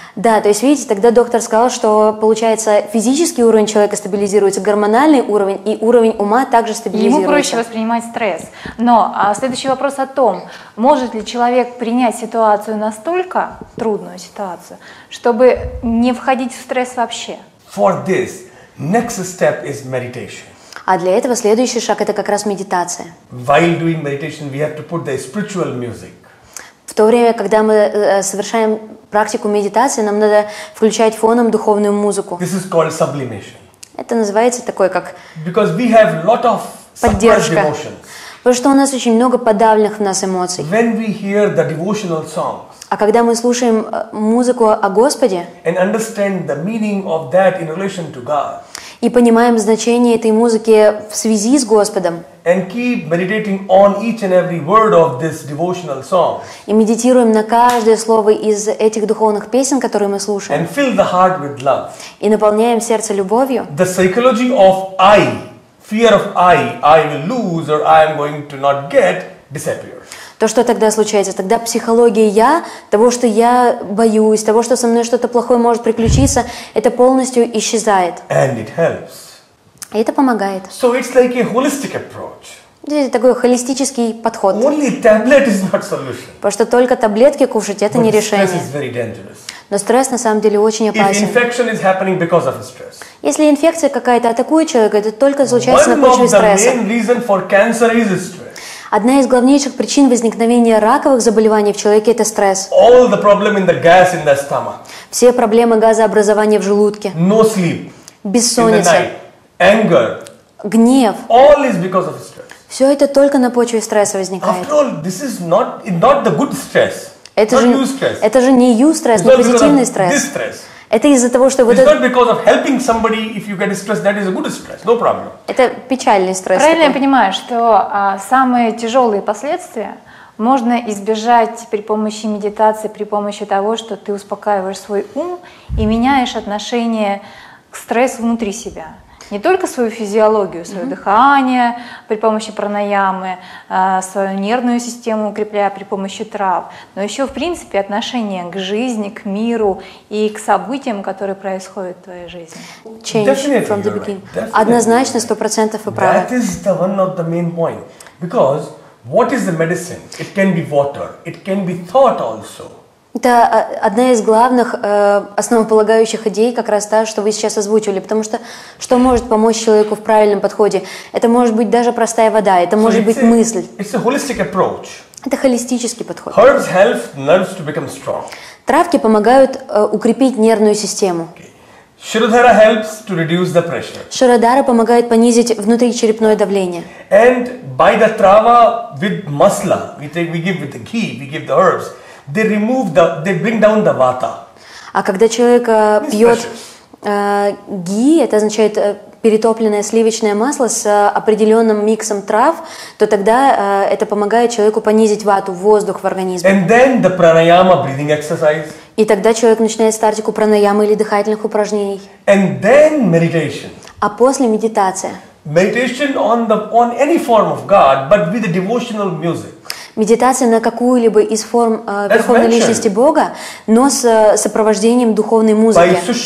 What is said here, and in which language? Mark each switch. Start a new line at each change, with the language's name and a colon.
Russian: Да, то есть видите, тогда доктор сказал, что получается физический уровень человека стабилизируется, гормональный уровень и уровень ума также стабилизируется. Ему проще воспринимать стресс. Но следующий вопрос о том, может ли человек принять ситуацию настолько трудную ситуацию, чтобы не входить в стресс вообще?
English: For this, next step is meditation.
Russian: А для этого следующий шаг – это как раз медитация.
English: While doing meditation, we have to put the spiritual music.
Russian: В то время, когда мы совершаем практику медитации, нам надо включать фоном духовную музыку.
English: This is called sublimation.
Russian: Это называется такой как
English: Because we have lot of
Russian: поддержка.
English: Suppressed emotions.
Russian: Потому что у нас очень много подавленных в нас эмоций.
English: When we hear the devotional song,
Russian: а когда мы слушаем музыку о Господе
English: and understand the meaning of that in relation to God,
Russian: и понимаем значение этой музыки в связи с Господом
English: and keep meditating on each and every word of this devotional song,
Russian: и медитируем на каждое слово из этих духовных песен, которые мы слушаем
English: and fill the heart with love,
Russian: и наполняем сердце любовью,
English: the psychology of I, fear of I will lose or I am going to not get, disappears.
Russian: То, что тогда случается, тогда психология «я», того, что я боюсь, того, что со мной что-то плохое может приключиться, это полностью исчезает.
English: And it helps.
Russian: И это помогает.
English: So it's like a holistic approach.
Russian: Это такой холистический подход.
English: Only tablet is not solution.
Russian: Потому что только таблетки кушать – это
English: But
Russian: не решение.
English: Stress is very dangerous.
Russian: Но стресс на самом деле очень опасен.
English: If infection is happening because of stress.
Russian: Если инфекция какая-то атакует человека, это только случается
English: One
Russian: на почве стресса.
English: One of the main reasons for cancer is stress.
Russian: Одна из главнейших причин возникновения раковых заболеваний в человеке – это стресс.
English: All the problem in the gas in the stomach.
Russian: Все проблемы газообразования в желудке.
English: No sleep.
Russian: Бессонница.
English: In the night. Anger.
Russian: Гнев.
English: All is because of stress.
Russian: Все это только на почве стресса возникает.
English: After all, this is not the good stress.
Russian: Это же не
English: you stress,
Russian: но позитивный стресс.
English: This stress.
Russian: Это из-за того, что вот это.
English: Not because of helping somebody, if you get stressed, that is a good stress, no problem.
Russian: Это печальный стресс. Правильно я понимаю, что самые тяжелые последствия можно избежать при помощи медитации, при помощи того, что ты успокаиваешь свой ум и меняешь отношение к стрессу внутри себя. Не только свою физиологию, свое дыхание при помощи пранаямы, свою нервную систему укрепляя при помощи трав, но еще, в принципе, отношение к жизни, к миру и к событиям, которые происходят в твоей жизни.
English: Change from the beginning.
Russian: Однозначно, 100% вы правы.
English: That is the one of the main point. Because what is the medicine? It can be water. It can be thought also.
Russian: Это одна из главных основополагающих идей, как раз та, что вы сейчас озвучивали. Потому что что может помочь человеку в правильном подходе? Это может быть даже простая вода, это может быть мысль.
English: It's a holistic approach.
Russian: Это холистический подход.
English: Herbs help nerves to become strong.
Russian: Травки помогают укрепить нервную систему.
English: Okay. Shirodhara helps to reduce the pressure.
Russian: Shirodhara помогает понизить внутричерепное давление.
English: And by the trava with masala, we give with the ghee, we give the herbs. They remove the, they bring down the vata.
Russian: А когда человек пьет ги, это означает перетопленное сливочное масло с определенным миксом трав, то тогда это помогает человеку понизить вату, воздух в организме.
English: And then the pranayama breathing exercise.
Russian: И тогда человек начинает стартику пранаямы или дыхательных упражнений.
English: And then meditation.
Russian: А после медитация.
English: Meditation on any form of God, but with a devotional music.
Russian: Медитация на какую-либо из форм Верховной Личности Бога, но с сопровождением духовной музыки.